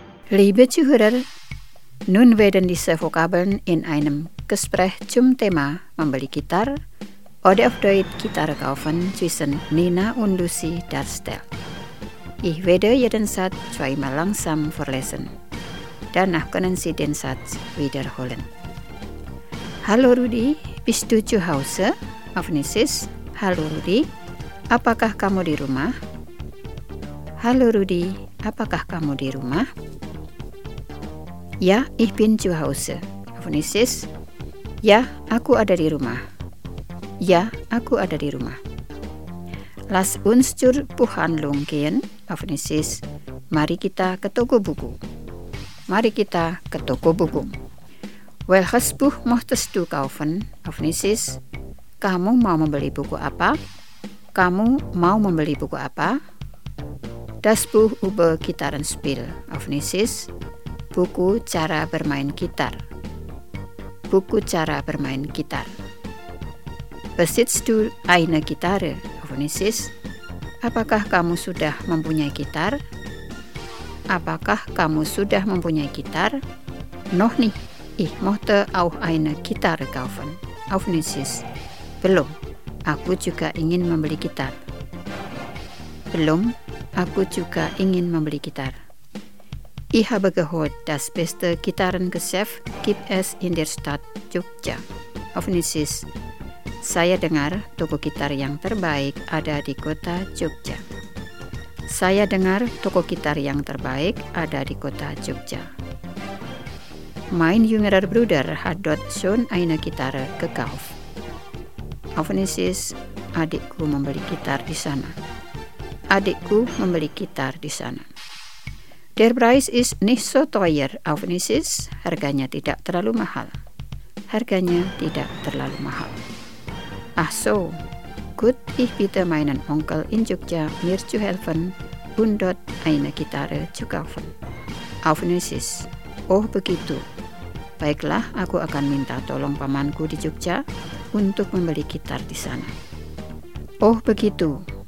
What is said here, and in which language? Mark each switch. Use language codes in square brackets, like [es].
[de] Liebe Zuhörer, nun werden diese Vokabeln in einem Gespräch zum Thema [id] membeli Gitar [de] oder auf Deutsch Gitar kaufen zwischen Nina und Lucy darstellen. Ich werde jeden Satz zweimal langsam vorlesen. Danach können Sie den Satz wiederholen. Hallo Rudi, bist du zu Hause? Auf Indonesisch. [id] Hallo Rudi, apakah kamu di rumah? Hallo Rudi, apakah kamu di rumah? [de] Ja, ich bin zu Hause. Auf Indonesisch. Ja, [id] aku ada di rumah. Ja, aku ada di rumah. [de] Lass uns zur Buchhandlung gehen. Auf Indonesisch. [id] Mari kita ke toko buku. Mari kita ke toko buku. [de] Welches Buch möchtest du kaufen? Auf Indonesisch. [id] Kamu mau membeli buku apa? Kamu mau membeli buku apa? [de] Das Buch über Gitarrenspiel. Auf Indonesisch. [id] Buku cara bermain gitar. Buku cara bermain gitar. [de] Besitzt du eine Gitarre? Auf Indonesisch. [id] Apakah kamu sudah mempunyai gitar? Apakah kamu sudah mempunyai gitar? [de] Noch nicht. Ich möchte auch eine Gitarre kaufen. Auf Indonesisch. Belum. [id] Aku juga ingin membeli gitar. Belum. Aku juga ingin membeli gitar. [de] Ich habe gehört, das beste Gitarrengeschäft gibt es in der Stadt Jogja. Auf Indonesisch. [id] Saya dengar toko gitar yang terbaik ada di kota Jogja. Saya dengar toko gitar yang terbaik ada di kota Jogja. [de] Mein jüngerer Bruder hat dort schon eine Gitarre gekauft. Auf Indonesisch. [id] Adikku membeli gitar di sana. Adikku membeli gitar di sana. [de] Der Preis ist nicht so teuer, auch nicht ist, [id] harganya tidak terlalu mahal. Harganya tidak terlalu mahal. [de] Ach so, gut, ich bitte meinen Onkel in Jogja mir zu helfen und dort eine Gitarre zu kaufen. [id] Auf Nisis. Oh begitu. Baiklah, aku akan minta tolong pamanku di Jogja untuk membeli gitar di sana. Oh begitu.